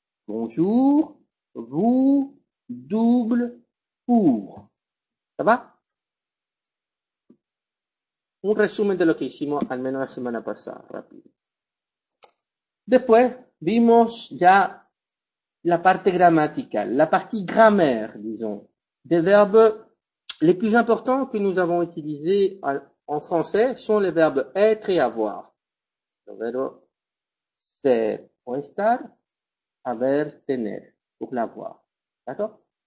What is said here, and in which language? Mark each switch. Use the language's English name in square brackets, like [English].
[French] Bonjour, vous, double, pour. ¿Ça va? [Spanish] Un resumen de lo que hicimos al menos la semana pasada, rápido. Después vimos ya la parte gramaticale, [French] la partie grammaire, disons, des verbes les plus importants que nous avons utilisés en français sont les verbes être et avoir. Le verbe [Spanish] ser o estar, haber, tener, [French] pour l'avoir. D'accord?